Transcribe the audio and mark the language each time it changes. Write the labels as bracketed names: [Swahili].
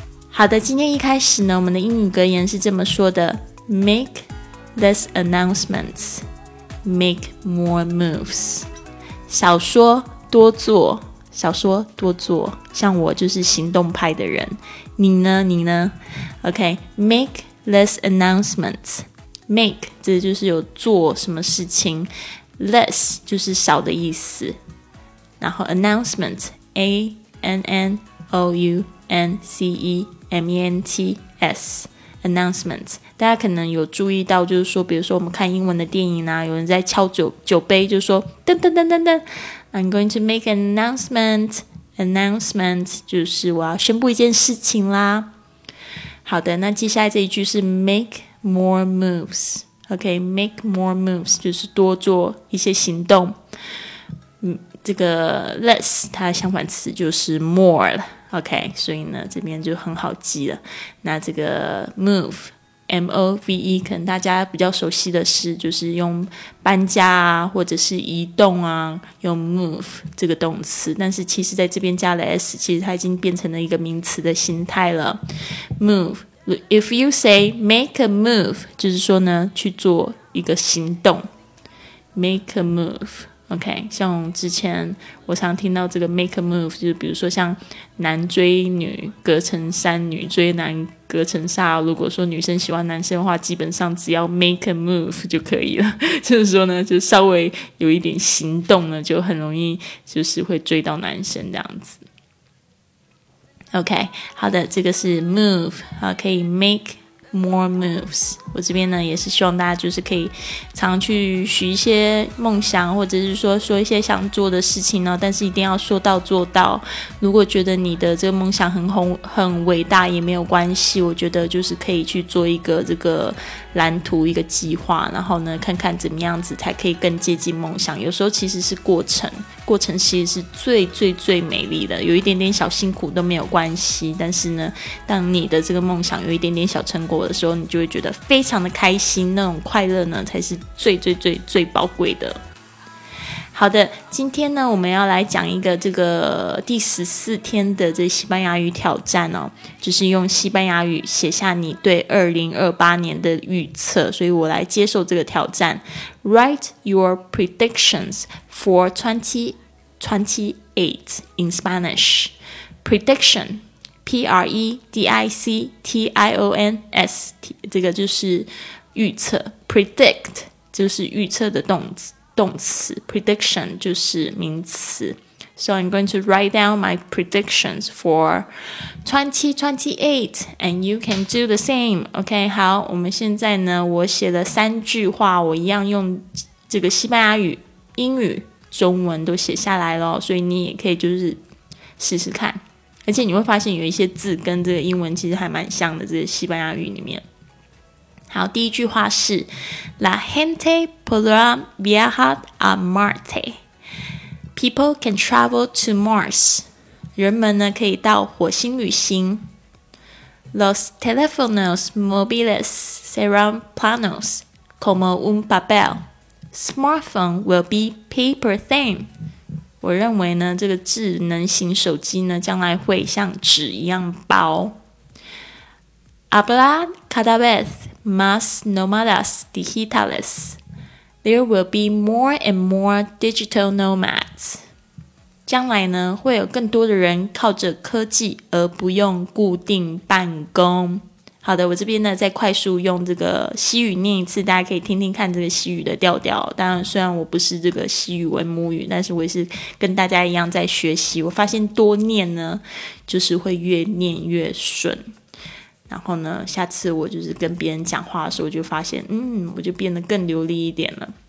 [Chinese] 好的，今天一开始呢，我们的英语格言是这么说的， [English] Make less announcements, make more moves。 [Chinese] 少说多做，少说多做，像我就是行动派的人。你呢 [English] OK, make less announcements. [Chinese] Make 这就是有做什么事情， less 就是少的意思，然后 announcement A-N-N-O-U-N-C-E-M-E-N-T-S announcement。大家可能有注意到，就是说比如说我们看英文的电影啊，有人在敲酒杯，就说噔噔噔噔噔， [English] I'm going to make an announcement. [Chinese] Announcement 就是我要宣布一件事情啦。好的，那接下来这一句是 [English] make more moves. [Chinese] OK, [English] make more moves [Chinese] 就是多做一些行动。这个 less 它的相反词就是 more. OK, 所以呢这边就很好记了。那这个 move,M-O-V-E, 可能大家比较熟悉的是就是用搬家啊或者是移动啊，用 move 这个动词，但是其实在这边加了 S, 其实它已经变成了一个名词的形态了。 [English] move, if you say make a move, [Chinese] 就是说呢去做一个行动， [English] make a move。 [Chinese] OK, 像之前我常听到这个 [English] make a move, [Chinese] 就是比如说像男追女隔层山，女追男隔层纱，如果说女生喜欢男生的话，基本上只要 make a move 就可以了，就是说呢就稍微有一点行动呢，就很容易就是会追到男生这样子。 OK, 好的，这个是 move, 好，可以 [English] make more moves。 [Chinese] 我这边呢也是希望大家就是可以常去许一些梦想，或者是说一些想做的事情呢，但是一定要说到做到。如果觉得你的这个梦想很伟大也没有关系，我觉得就是可以去做一个这个蓝图，一个计划，然后呢看看怎么样子才可以更接近梦想。有时候其实是过程过程其实是最最最美丽的，有一点点小辛苦都没有关系，但是呢当你的这个梦想有一点点小成果的时候，你就会觉得非常的开心，那种快乐呢才是最最最最宝贵的。好的，今天呢我们要来讲一个这个第14天的这西班牙语挑战哦，就是用西班牙语写下你对2028年的预测，所以我来接受这个挑战。 [English] Write your predictions for 2028 in Spanish. [Chinese] Prediction, P-R-E-D-I-C-T-I-O-N-S, 这个就是预测， predict 就是预测的动词 prediction 就是名词。 [English] So I'm going to write down my predictions for 2028 and you can do the same. [Chinese] OK, 好，我们现在呢我写了三句话，我一样用这个西班牙语、英语、中文都写下来了，所以你也可以就是试试看，而且你会发现有一些字跟这个英文其实还蛮像的，这个西班牙语里面。好，第一句话是 [Spanish] La gente podrá viajar a Marte. [English] People can travel to Mars. [Chinese] 人们呢可以到火星旅行。 [Spanish] Los teléfonos móviles serán planos como un papel. [English] Smartphone will be paper thin. [Chinese] 我认为呢这个智能型手机呢将来会像纸一样薄。 [Spanish] Habrá cada vez más nómadas digitales. [English] There will be more and more digital nomads. [Chinese] 将来呢会有更多的人靠着科技而不用固定办公。好的，我这边呢再快速用这个西语念一次，大家可以听听看这个西语的调调。当然虽然我不是这个西语为母语，但是我也是跟大家一样在学习，我发现多念呢就是会越念越顺，然后呢下次我就是跟别人讲话的时候就发现我就变得更流利一点了。